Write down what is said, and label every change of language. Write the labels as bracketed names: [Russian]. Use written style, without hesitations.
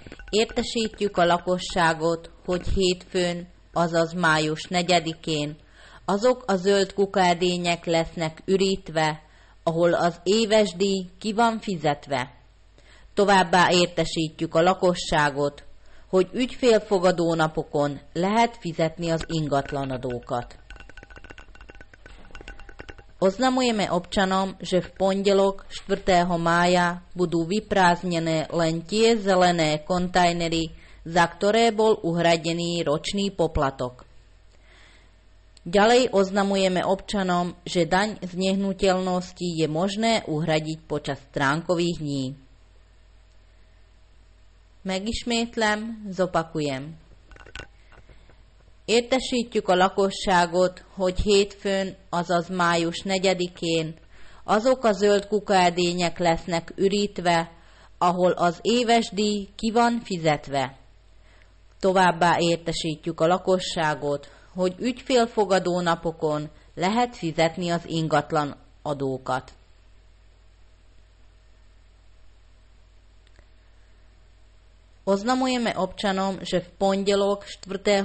[Hungarian] Értesítjük a lakosságot, hogy hétfőn, azaz május 4-én azok a zöld kukaedények lesznek ürítve, ahol az éves díj ki van fizetve. Továbbá értesítjük a lakosságot, hogy ügyfélfogadó napokon lehet fizetni az ingatlanadókat. [Slovak] Oznamujeme občanom, že v pondělok 4. mája budou vyprázdněné len tie zelené kontajnery, za které bol uhradený ročný poplatok. Ďalej oznamujeme občanom, že daň z nehnuteľnosti je možné uhradiť počas stránkových dní. [Hungarian] Megismétlem, [Slovak] zopakujem. [Hungarian] Értesítjük a lakosságot, hogy hétfőn, azaz május 4-én azok a zöld kukaedények lesznek ürítve, ahol az éves díj ki van fizetve. Továbbá értesítjük a lakosságot, hogy ügyfélfogadó napokon lehet fizetni az ingatlan adókat. [Slovak] Oznamujeme občanom, že v pondělok 4.